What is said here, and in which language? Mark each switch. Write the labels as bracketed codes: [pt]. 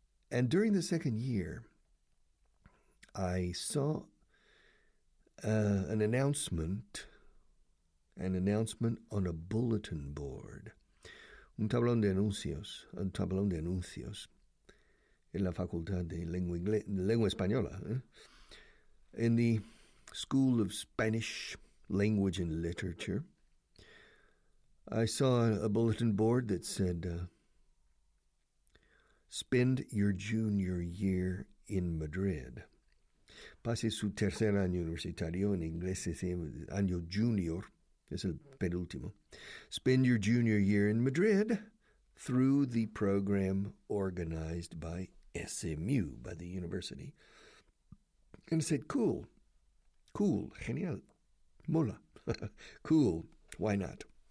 [en] And during the second year, I saw an announcement on a bulletin board, [es] un tablón de anuncios, en la Facultad de Lengua Española, [en] in the School of Spanish Language and Literature. I saw a bulletin board that said, spend your junior year in Madrid. [es] Pase su tercer año universitario, en inglés es año junior, es el penúltimo. [en] Spend your junior year in Madrid through the program organized by SMU, by the university. And I said, cool, [es] genial, mola, [en] cool, why not?